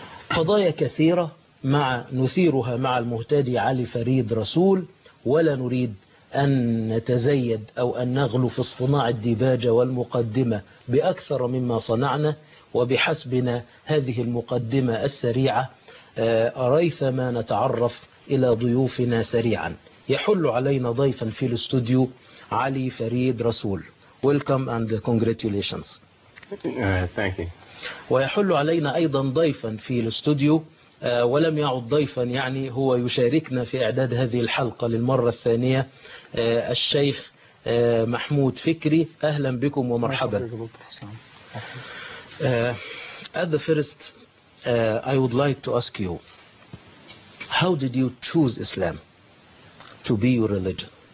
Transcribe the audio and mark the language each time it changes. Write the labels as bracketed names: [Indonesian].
[Arabic] قضايا كثيرة نثيرها مع المهتدي علي فريد رسول، ولا نريد أن نتزيد أو أن نغلو في اصطناع الديباجة والمقدمة بأكثر مما صنعنا. وبحسبنا هذه المقدمة السريعة ريثما نتعرف إلى ضيوفنا سريعا. يحل علينا ضيفا في الاستوديو علي فريد رسول. [English] Welcome and congratulations. Thank you. [Arabic] ويحل علينا أيضا ضيفا في الاستوديو ولم يعد ضيفا، يعني هو يشاركنا في إعداد هذه الحلقة للمرة الثانية، الشيخ محمود فكري. أهلا بكم ومرحبا. [English] At the first, I would like to ask you, how did you choose Islam to be your religion?